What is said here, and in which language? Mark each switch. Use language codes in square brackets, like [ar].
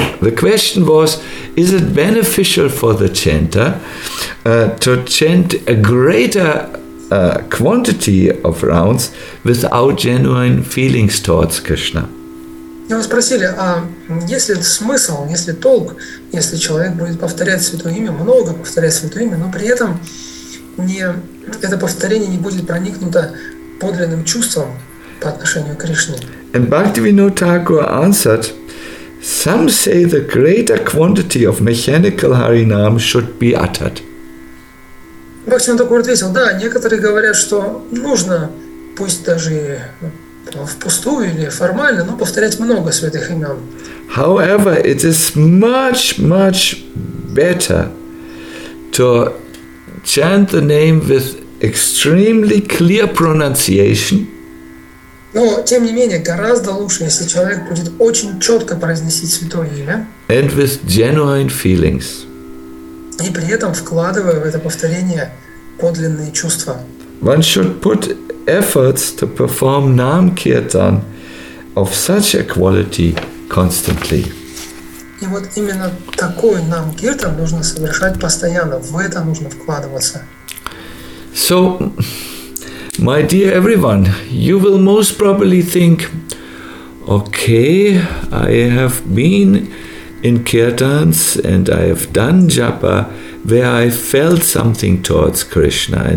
[en] The question was, is it beneficial for the chanter to chant a greater quantity of rounds without genuine feelings towards Krishna? [ru] Его спросили, а есть ли смысл, есть ли толк, если человек будет повторять святое имя, много повторять святое имя, но при этом не, это повторение не будет проникнуто подлинным чувством по отношению к Кришне. [en] And Bhaktivinoda Thakur answered, some say the greater quantity of mechanical Harinam should be uttered. [ru] Бхактивинода Такур ответил, да, некоторые говорят, что нужно, пусть даже впустую или формально, но повторять много святых имен. [en] However, it is much, much better to chant the name with extremely clear pronunciation. [ru] Но, тем не менее, гораздо лучше, если человек будет очень четко произносить святое имя. [en] And with genuine feelings. [ru] И при этом вкладывая в это повторение подлинные чувства. [en] One should put efforts to perform Nam Kirtan of such a quality constantly. [ru] И вот именно такой Нам Киртан нужно совершать постоянно. В это нужно вкладываться. [en] So, my dear everyone, you will most probably think, okay, I have been in kirtans and I have done japa where I felt something towards Krishna.